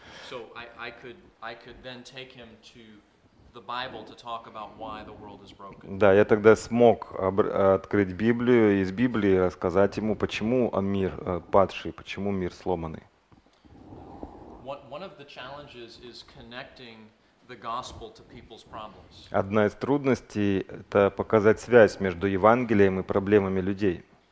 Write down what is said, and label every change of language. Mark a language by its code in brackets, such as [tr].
[en] So I could then take him to the Bible to talk about why the world is broken. [ru] Да, я тогда смог открыть Библию и из Библии рассказать ему, почему мир падший, почему мир сломанный. [en] One of the challenges is connecting the gospel to people's problems. [ru] Одна из трудностей – это показать связь между Евангелием и проблемами людей.